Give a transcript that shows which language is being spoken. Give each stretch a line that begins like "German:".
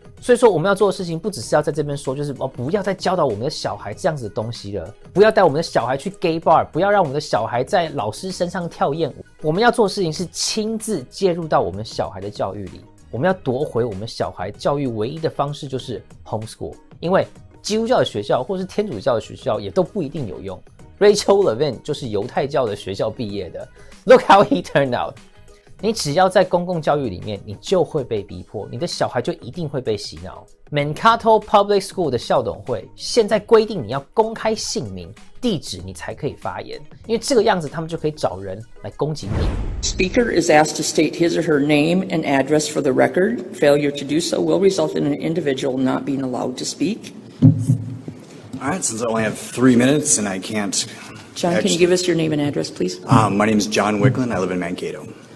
Chinese: 所以说我们要做的事情不只是要在这边说，就是不要再教导我们的小孩这样子的东西了，不要带我们的小孩去 gay bar， 不要让我们的小孩在老师身上跳艳舞。我们要做的事情是亲自介入到我们小孩的教育里，我们要夺回我们小孩教育唯一的方式就是 homeschool， 因为基督教的学校或是天主教的学校也都不一定有用。 Rachel Levin 就是犹太教的学校毕业的，
English: Look how he turned out。
Chinese: 你只要在公共教育里面，你就会被逼迫，你的小孩就一定会被洗脑。 Mankato Public School 的校董会现在规定你要公开姓名、地址，你才可以发言，因为这个样子他们就可以找人来攻击你。
English: Speaker is asked to state his or her name and address for the record. Failure to do so will result in an individual not being allowed to speak. All right, since I only have 3 minutes and I can't... John, can you give us your name and address, please? My name is John Wicklin. I live in Mankato.